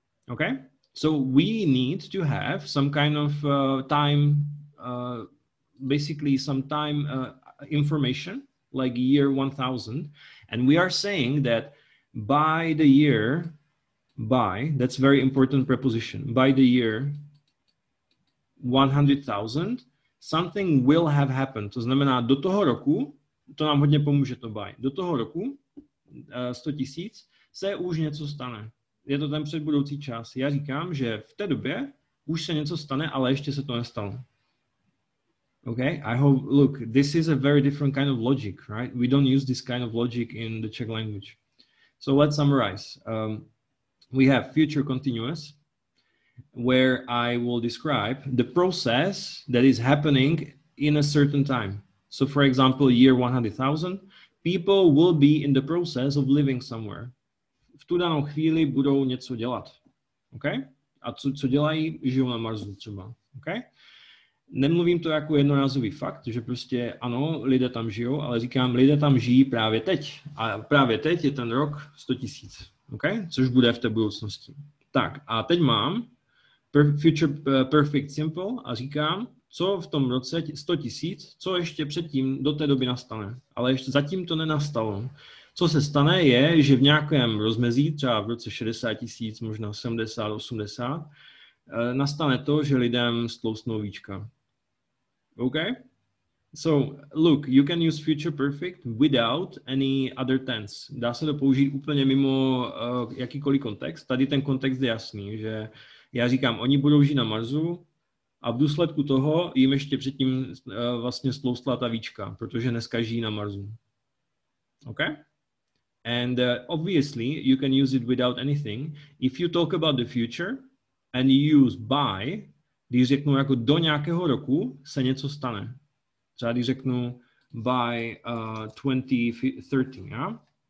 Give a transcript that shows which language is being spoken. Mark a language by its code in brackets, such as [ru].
[en] Okay? So we need to have some kind of time, basically some time information, like year 1000. And we are saying that by the year, by, that's very important preposition, by the year 100,000, something will have happened. [cs] To znamená, do toho roku, to nám hodně pomůže to by, do toho roku 100 tisíc se už něco stane. Je to ten předbudoucí čas. Já říkám, že v té době už se něco stane, ale ještě se to nestalo. [en] Okay, I hope, look, this is a very different kind of logic, right? We don't use this kind of logic in the Czech language. So let's summarize. We have future continuous, where I will describe the process that is happening in a certain time. So for example, year 100,000, people will be in the process of living somewhere. [cs] V tu danou chvíli budou něco dělat. Okay? A co dělají? Žijou na Marsu třeba. Okay? Nemluvím to jako jednorázový fakt, že prostě ano, lidé tam žijou, ale říkám, lidé tam žijí právě teď. A právě teď je ten rok 100 tisíc. Okay? Což bude v té budoucnosti. Tak a teď mám future perfect simple a říkám, co v tom roce 100 tisíc, co ještě předtím do té doby nastane, ale ještě zatím to nenastalo. Co se stane je, že v nějakém rozmezí, třeba v roce 60 tisíc, možná 70, 80, nastane to, že lidem stloustnou víčka. OK? [en] So, look, you can use future perfect without any other tense. [cs] Dá se to použít úplně mimo jakýkoliv kontext. Tady ten kontext je jasný, že já říkám, oni budou žít na Marsu a v důsledku toho jim ještě předtím vlastně stloustla ta víčka, protože dneska žijí na Marsu. OK? [en] And obviously, you can use it without anything. If you talk about the future and you use by, [cs] když řeknu jako do nějakého roku, se něco stane. Třeba když řeknu by 2030, [en] yeah?